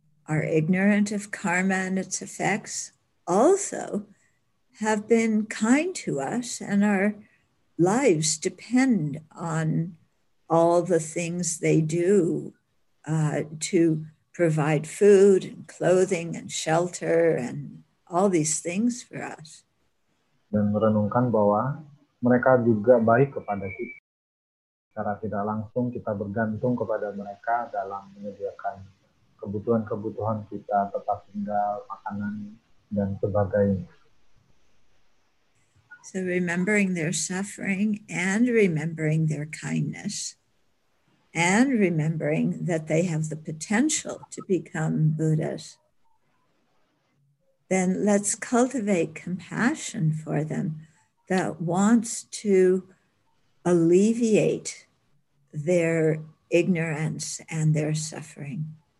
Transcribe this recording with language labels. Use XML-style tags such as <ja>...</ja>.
<en>are ignorant of karma and its effects, also have been kind to us, and our lives depend on all the things they do to provide food and clothing and shelter and all these things for us.</en> <id>Dan merenungkan bahwa mereka juga baik kepada kita. Secara tidak langsung kita bergantung kepada mereka dalam menyediakan kebutuhan-kebutuhan kita, tempat tinggal, makanan, dan sebagainya.</id> <en>So remembering their suffering and remembering their kindness and remembering that they have the potential to become Buddhas, then let's cultivate compassion for them that wants to alleviate their ignorance and their suffering.</en>